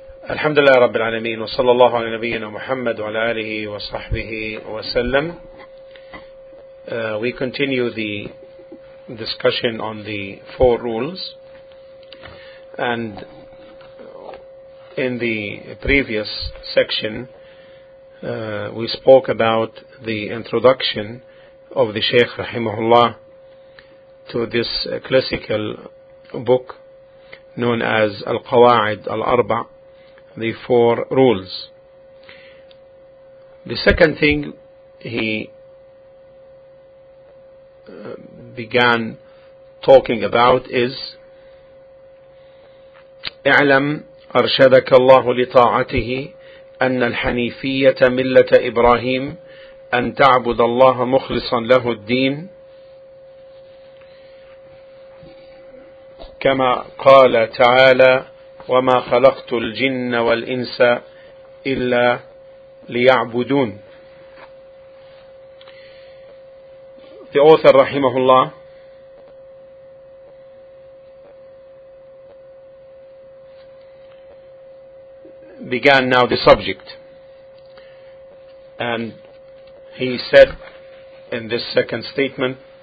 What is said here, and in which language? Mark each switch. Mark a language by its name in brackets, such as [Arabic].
[Arabic] الحمد لله رب العالمين، وصلى الله على نبينا محمد وعلى آله وصحبه وسلم. [English] We continue the discussion on the four rules, and in the previous section we spoke about the introduction of the Shaykh Rahimahullah to this classical book known as Al-Qawa'id Al-Arba, the four rules. The second thing he began talking about is [Arabic] اعلم أرشدك الله لطاعته أن الحنيفية ملة إبراهيم أن تعبد الله مخلصا له الدين كما قال تعالى وما خلقت الجن والإنس إلا ليعبدون. [English] The author رحمه الله began now the subject, and he said in this second statement